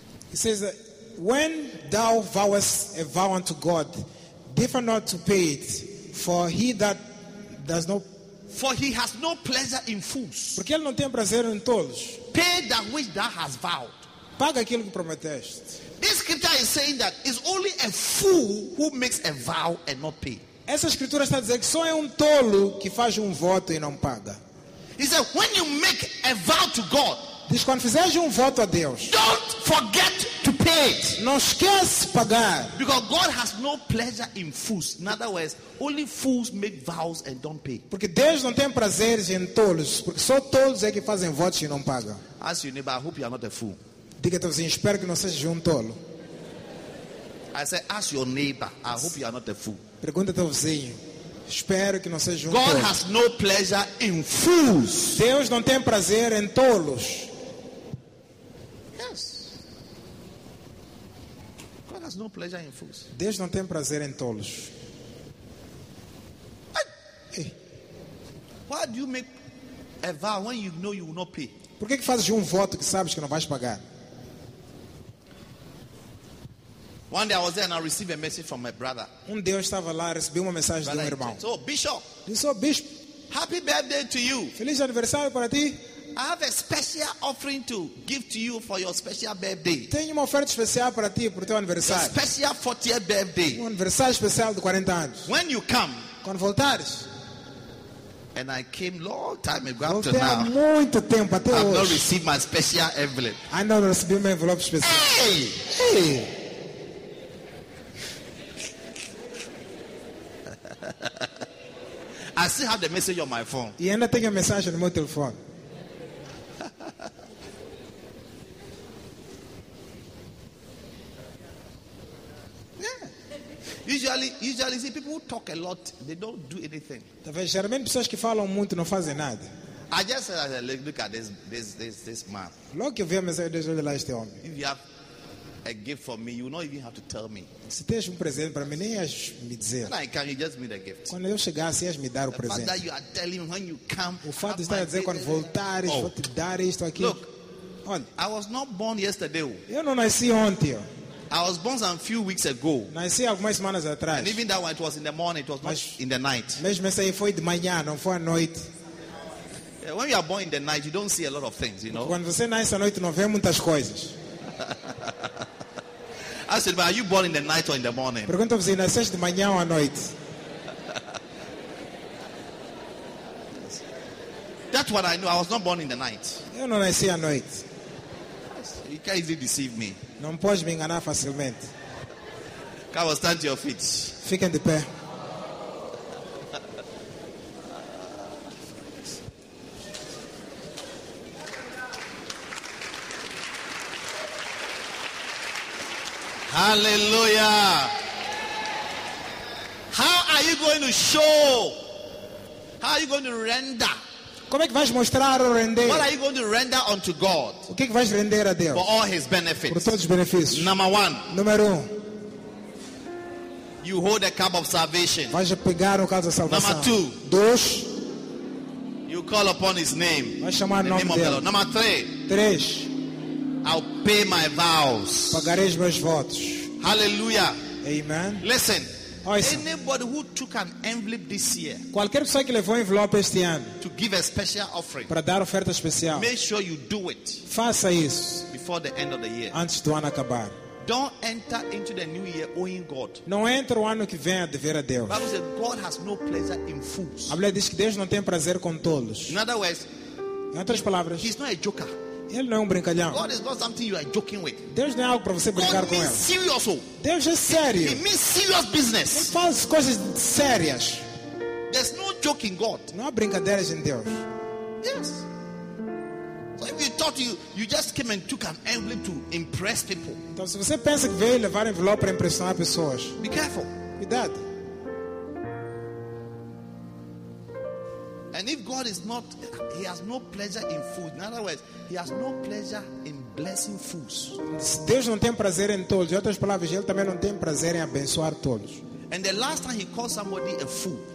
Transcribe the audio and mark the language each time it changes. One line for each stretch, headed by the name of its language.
English: He says that when thou vowest a vow unto God, differ not to pay it, for he that does not For he has no pleasure in fools.
Portuguese: Porque ele não tem prazer em tolos.
English: Pay that which thou hast vowed.
Portuguese: Paga aquilo que prometeste.
English: This scripture is saying that it's only a fool who makes a vow and not pay.
Portuguese: Essa escritura está dizendo que só é tolo que faz voto e não paga.
English: He said, when you make a vow to God,
Portuguese: diz, quando fizeres voto a Deus,
English: don't forget to pay it.
Portuguese: Não esquece pagar.
English: Because God has no pleasure in fools. In other words, only fools make vows and don't pay.
Portuguese: Porque Deus não tem prazer em tolos, porque só tolos é que fazem votos e não pagam.
English: Ask your neighbor, I hope you are not a fool.
Portuguese: Diga teu vizinho, espero que não sejas tolo.
English: I said, ask your neighbor, I hope you are not a fool.
Portuguese: Pergunta teu vizinho, espero que não seja tolo.
English: God has no pleasure in fools.
Portuguese: Deus não tem prazer em tolos.
English: Yes. God has no pleasure in fools.
Portuguese: Deus não tem prazer em tolos.
English: Why do you make a vow when you know you will not pay?
Portuguese: Por que fazes voto que sabes que não vais pagar?
English: One day I was there and I received a message from my brother.
Portuguese: Um dia eu estava lá e recebi uma mensagem do meu irmão.
English: So, Bishop.
Portuguese: Disse, oh, Bishop.
English: Happy birthday to you.
Portuguese: Feliz aniversário para ti.
English: I have a special offering to give to you for your special birthday.
Portuguese: Tenho uma oferta especial para ti por teu aniversário.
English: A special 40th birthday.
Portuguese: Um aniversário especial de 40 anos.
English: When you come.
Portuguese: Quando voltares.
English: And I came long time ago up to now.
Portuguese: Muito tempo até
English: I have
Portuguese: hoje.
English: Not received my special envelope. I don't receive my envelope special. Hey! I still have the message on my phone.
Portuguese: E ainda tenho a mensagem no meu telefone.
English: Yeah. Usually, see, people who talk a lot, they don't do anything.
Portuguese: Talvez geralmente pessoas que falam muito não fazem nada.
English: I just said, look at this man.
Portuguese: Logo que eu vi a mensagem, Deus olha lá este homem.
English: If you have a gift for me, you don't even have to tell me.
Portuguese: Se tens presente para mim, nem ias me dizer.
English: Like, can you just me gift?
Portuguese: Quando eu chegasse, ias me dar o presente.
English: That you are telling when you come,
Portuguese: o fato de estar a dizer quando voltares, vou te dar isto aqui.
English: Look, olha, I was not born yesterday.
Portuguese: Eu não nasci ontem.
English: I was born some few weeks ago.
Portuguese: Nasci algumas semanas atrás.
English: And even that one, it was in the morning, it was not in the night.
Portuguese: Mesmo assim, foi de manhã, não foi à noite.
English: Yeah, when you are born in the night, you don't see a lot of things, you know.
Portuguese: Quando você nasce à noite, não vê muitas coisas.
English: I said, but are you born in the night or in the morning?
Portuguese: Pergunta você, nasceste de manhã ou à noite?
English: That's what I know. I was not born in the night.
Portuguese: Eu não nasci à noite.
English: You can't easily deceive me.
Portuguese: Não podes me enganar facilmente.
English: Come on, stand to your feet.
Portuguese: Fiquem de pé.
English: Hallelujah. How are you going to show? How are you going to render?
Portuguese: Como é que vais mostrar ou render?
English: What are you going to render unto God?
Portuguese: O que é que vais render a Deus?
English: For all his benefits.
Portuguese: Por todos os benefícios.
English: Number one.
Portuguese: Número um.
English: You hold a cup of salvation.
Portuguese: Vais pegar o cálice da salvação.
English: Number two.
Portuguese: Dois.
English: You call upon his name.
Portuguese: Vais chamar o nome dele.
English: Number three.
Portuguese: Três.
English: I'll pay my vows.
Portuguese: Pagarei os meus votos.
English: Hallelujah. Amen. Listen. Anybody who took an envelope this year.
Portuguese: Qualquer pessoa que levou um envelope este ano.
English: To give a special offering.
Portuguese: Para dar oferta especial.
English: Make sure you do it.
Portuguese: Faça isso.
English: Before the end of the year.
Portuguese: Antes do ano acabar.
English: Don't enter into the new year owing God.
Portuguese: Não entre o ano que vem a dever a Deus.
English: The Bible says God has no pleasure in fools.
Portuguese: A Bíblia diz que Deus não tem prazer com tolos.
English: In other words.
Portuguese: Em outras palavras.
English: He's not a joker.
Portuguese: Ele não é brincalhão.
English: God is not something you are joking with.
Portuguese: Deus não é algo para você brincar com ele.
English: Serious.
Portuguese: Deus é sério.
English: He means serious business.
Portuguese: Ele faz coisas sérias.
English: There's no joking God.
Portuguese: Não há brincadeiras em Deus.
English: Yes. So if you thought you just came and took an envelope to impress people.
Portuguese: Então se você pensa que veio levar um envelope para impressionar pessoas.
English: Be careful.
Portuguese: Cuidado.
English: And if God is not, he has no pleasure in fools. In other words, he has no pleasure in blessing fools.
Portuguese: Deus não tem prazer em tolos. Em outras palavras, ele também não tem prazer em abençoar tolos.
English: And the last time he called somebody a fool.